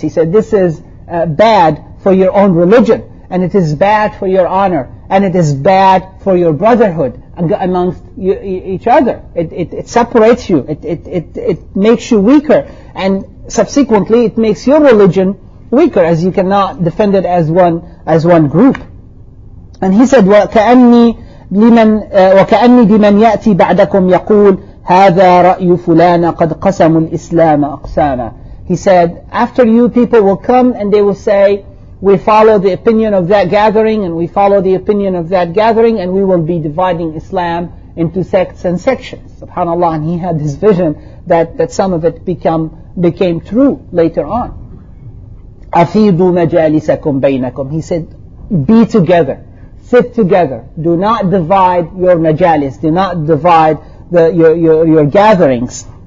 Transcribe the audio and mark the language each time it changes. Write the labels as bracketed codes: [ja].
[en] He said, this is bad for your own religion, and it is bad for your honor, and it is bad for your brotherhood amongst each other. It separates you. It makes you weaker, and subsequently, it makes your religion weaker, as you cannot defend it as one group. And he said, [ar] وَكَأَنِّي بِمَنْ يَأْتِي بَعْدَكُمْ يَقُولُ هَذَا رَأْيُ فُلَانَ قَدْ قَسَمُ الْإِسْلَامَ أَقْسَامًا. [en] He said, after you, people will come and they will say, we follow the opinion of that gathering, and we follow the opinion of that gathering, and we will be dividing Islam into sects and sections. SubhanAllah, and he had this vision that some of it become became true later on. [ar] أَفِيدُوا مَجَالِسَكُمْ بَيْنَكُمْ [en] He said, be together, sit together, do not divide your majalis, do not divide your gatherings.